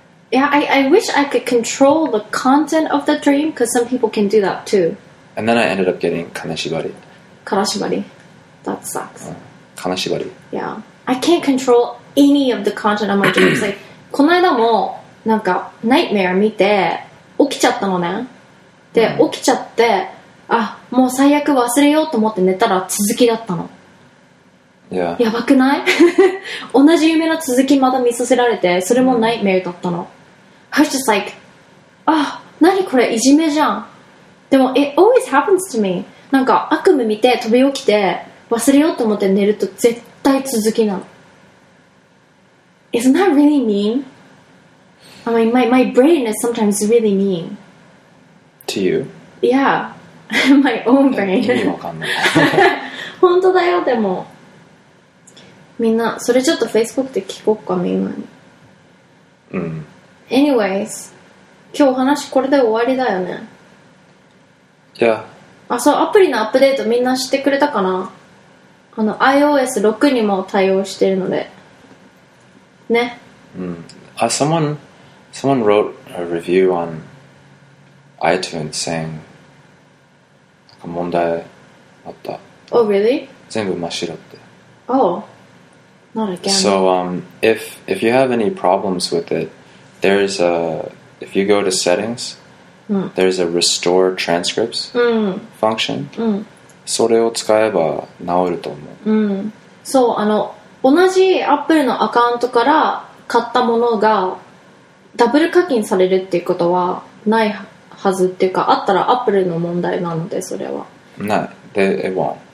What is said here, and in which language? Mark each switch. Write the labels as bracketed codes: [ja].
[en] Yeah, I wish I could control the content of the dream, because some people can do that too. And then I ended up getting kanashibari. Kanashibari. That sucks. Kanashibari. Yeah. I can't control any of the content of my dreams. Like, [ja] この間もなんか nightmare 見て起きちゃったのね。で、起きちゃって、あ、もう最悪忘れようと思って寝たら続きだったの。 [en] Yeah. [ja] やばくない？同じ夢の続きまた見させられて、それもナイトメアだったの。 [en] I was just like, [ja] あ、何これ、いじめじゃん。でも、 [en] it always happens to me. [ja] なんか、悪夢見て、飛び起きて、忘れようと思って寝ると絶対続きなの。 [en] Isn't that really mean? I mean, my brain is sometimes really mean. To you? Yeah. My own brain. [ja] 意味わかんない。本当だよ、でも。みんな、それちょっと Facebook で聞こっか、みんなに。うん。 [en] Anyways, [ja] 今日お話これで終わりだよね。いや。あ、そう、アプリのアップデートみんな知ってくれたかな？あの、iOS 6にも対応してるので。ね。うん。あ、 [en] someone wrote a review on iTunes saying, [ja] なんか問題あった。 [en] Oh, really? [ja] 全部真っ白って。 [en] Oh. Not again. So, if you have any problems with it, there's a... If you go to settings, there's a restore transcripts function. [ja] それを使えば直ると思う。そう、あの、同じ Apple のアカウントから買ったものがダブル課金されるっていうことはないはずっていうか、あったら Apple の問題なので、それは。ない。 [en] They, it won't.